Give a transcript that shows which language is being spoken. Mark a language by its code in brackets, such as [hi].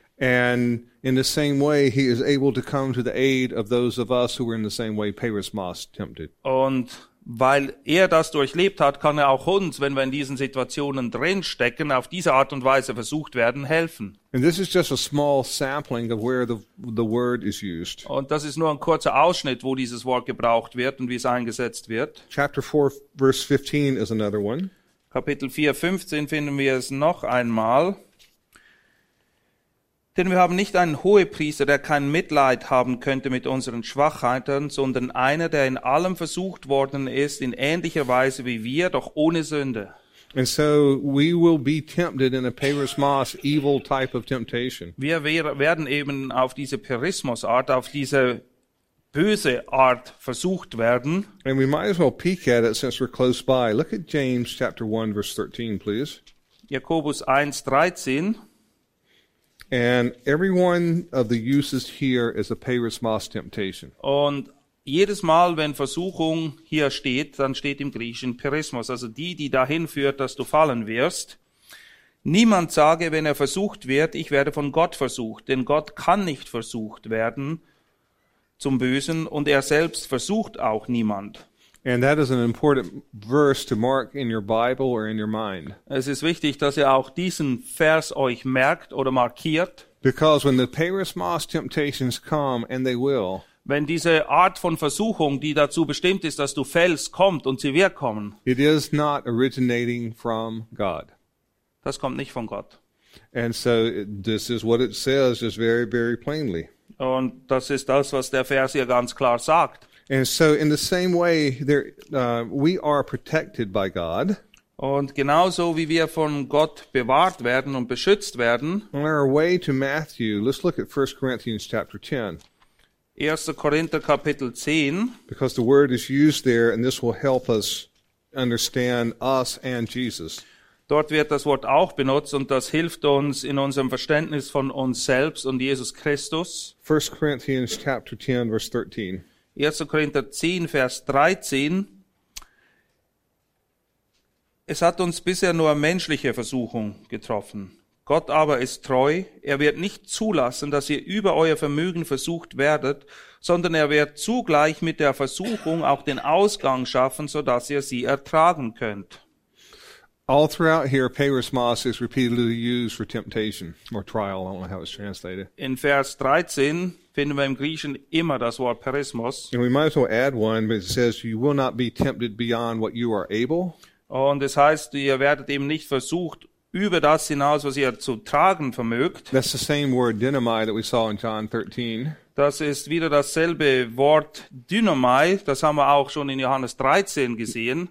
[en] And in the same way he is able to come to the aid of those of us who were in the same way perismos tempted. [de] Und weil er das durchlebt hat, kann er auch uns, wenn wir in diesen Situationen drinstecken, auf diese Art und Weise versucht werden, helfen. [en] And this is just a small sampling of where the word is used. [de] Und das ist nur ein kurzer Ausschnitt, wo dieses Wort gebraucht wird und wie es eingesetzt wird. [en] Chapter 4, verse 15 is another one. [de] Kapitel 4, 15 finden wir es noch einmal. Denn wir haben nicht einen Hohepriester, der kein Mitleid haben könnte mit unseren Schwachheiten, sondern einer, der in allem versucht worden ist, in ähnlicher Weise wie wir, doch ohne Sünde. [en] And so we will be tempted in a perismos evil type of temptation. [de] Wir werden eben auf diese Perismos-Art, auf diese böse Art versucht werden. [en] And we might as well peek at it since we're close by. Look at James chapter 1, verse 13, please. [de] Jakobus 1, 13. [en] And every one of the uses here is a perismos temptation. [de] Und jedes Mal, wenn Versuchung hier steht, dann steht im Griechischen Perismos, also die dahin führt, dass du fallen wirst. Niemand sage, wenn er versucht wird, ich werde von Gott versucht, denn Gott kann nicht versucht werden zum Bösen und er selbst versucht auch niemand. [en] And that is an important verse to mark in your Bible or in your mind. [de] Es ist wichtig, dass ihr auch diesen Vers euch merkt oder markiert. [en] Because when the perismos temptations come, and they will. [de] Wenn diese Art von Versuchung, die dazu bestimmt ist, dass du fällst, kommt und sie wird kommen. [en] It is not originating from God. [de] Das kommt nicht von Gott. [en] And so this is what it says just very, very plainly. [de] Und das ist das, was der Vers hier ganz klar sagt. [en] And so in the same way we are protected by God. [de] Und genauso wie wir von Gott bewahrt werden und beschützt werden. [en] On our way to Matthew, let's look at 1 Corinthians chapter 10. [de] 1. Korinther Kapitel 10. [en] Because the word is used there and this will help us understand us and Jesus. [de] Dort wird das Wort auch benutzt und das hilft uns in unserem Verständnis von uns selbst und Jesus Christus. [en] 1. Corinthians chapter 10 verse 13. [de] 1. Korinther 10, Vers 13. Es hat uns bisher nur menschliche Versuchung getroffen. Gott aber ist treu. Er wird nicht zulassen, dass ihr über euer Vermögen versucht werdet, sondern er wird zugleich mit der Versuchung auch den Ausgang schaffen, sodass ihr sie ertragen könnt. [en] All throughout here, perismos is repeatedly used for temptation or trial. I don't know how it's translated. [de] In Vers 13 finden wir im Griechischen immer das Wort perismos. [en] And we might as well add one, but it says you will not be tempted beyond what you are able. [de] Und es heißt, ihr werdet eben nicht versucht über das hinaus, was ihr zu tragen vermögt. [en] That's the same word dynamai that we saw in John 13. [de] Das ist wieder dasselbe Wort dynamai. Das haben wir auch schon in Johannes 13 gesehen.